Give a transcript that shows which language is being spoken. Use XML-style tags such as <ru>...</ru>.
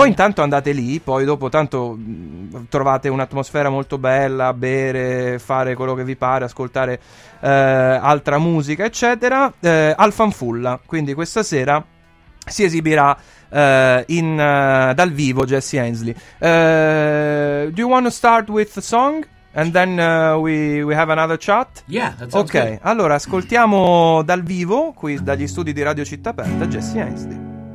<it>Voi intanto andate lì, poi dopo tanto trovate un'atmosfera molto bella, bere, fare quello che vi pare, ascoltare altra musica, eccetera, al Fanfulla, quindi questa sera si esibirà dal vivo Jesse Ainsley.</it> <en>Do you want to start with the song? And then we have another chat. Yeah, that sounds good.</en> <it>Okay, allora ascoltiamo dal vivo qui dagli studi di Radio Città Aperta Jesse Ainsley.</it>